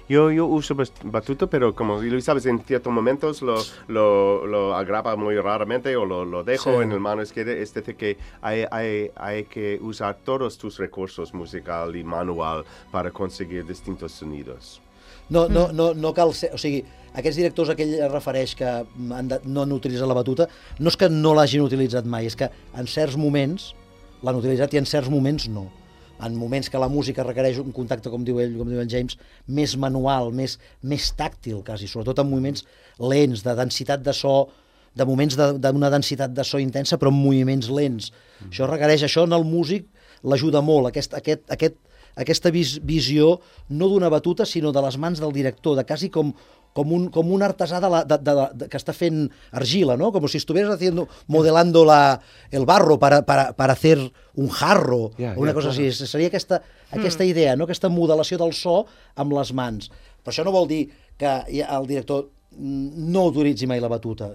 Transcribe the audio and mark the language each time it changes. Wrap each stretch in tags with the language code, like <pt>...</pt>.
<es>Yo uso batuta, pero como Luis sabes, en ciertos momentos lo agrava muy raramente o lo dejo en el mano izquierda. Es decir, que hay que usar todos tus recursos musical y manual para conseguir distintos sonidos.</es> <ca>No cal ser, o sigui, aquests directors a què ell refereix que no han utilitzat la batuta, no és que no l'hagin utilitzat mai, és que en certs moments l'han utilitzat i en certs moments no. En moments que la música requereix un contacte, com diu ell, com diu en James, més manual, més tàctil, quasi, sobretot en moments lents, de densitat de so, de moments d'una densitat de so intensa, però en moviments lents. Això requereix, això en el músic l'ajuda molt, aquesta visió no d'una batuta, sinó de les mans del director, de quasi com un artesà que està fent argila, no?</ca> <es>Com si estuvieras haciendo, modelando el barro para hacer un jarro, cosa així.</es> <ca>Seria aquesta idea, no? Aquesta modelació del so amb les mans. Però això no vol dir que el director no utilitzi mai la batuta.</ca>